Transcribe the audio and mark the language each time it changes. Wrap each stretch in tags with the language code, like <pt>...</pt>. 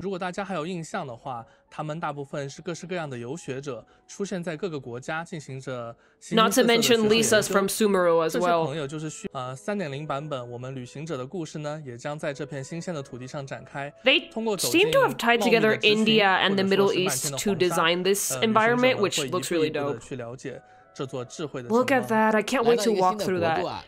<zh>如果大家还有印象的话, 他们大部分是各式各样的游学者, 出现在各个国家进行着新,</zh> <en>Not to mention Lisa's from Sumeru as well.</en> <zh>这些朋友就是, 3.0版本, 我们旅行者的故事呢, 也将在这片新鲜的土地上展开,</zh> <en>They seem to have tied together India and the Middle East to design this environment, which looks really dope. Look at that, I can't wait to walk through that.</en>